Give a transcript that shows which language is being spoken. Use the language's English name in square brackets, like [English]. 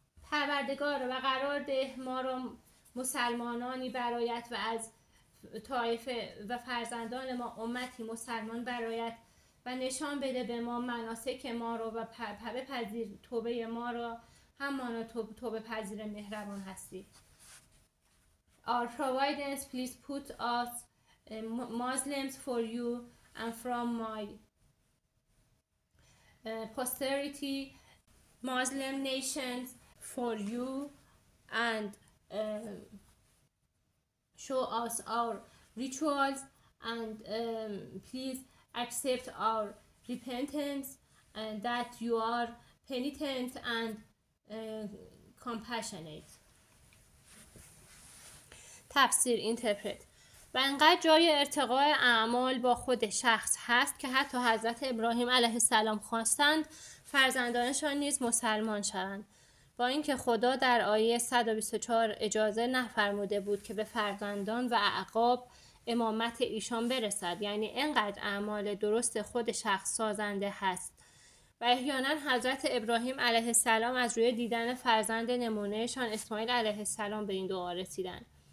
[Persian] پروردگار و قرار ده ما را مسلمانانی برایت و از طایفه و فرزندان ما امتی مسلمان برایت، و نشان بده به ما مناسک ما را و بپذیر توبه ما را، همانا توبه پذیر مهربان هستی. [English] Our providence, please put us Muslims for you and from my posterity, Muslim nations, for you, and show us our rituals, and please accept our repentance, and that you are penitent and compassionate. [Persian] تفسیر اینترپرت و انقدر جای ارتقاء اعمال با خود شخص هست که حتی حضرت ابراهیم علیه السلام خواستند فرزندانشان نیز مسلمان شوند. با اینکه خدا در آیه 124 اجازه نفرموده بود که به فرزندان و اعقاب امامت ایشان برسد، یعنی انقدر اعمال درست خود شخص سازنده هست و احیانا حضرت ابراهیم علیه السلام از روی دیدن فرزند نمونهشان اسماعیل علیه السلام به این دعا رسیدند،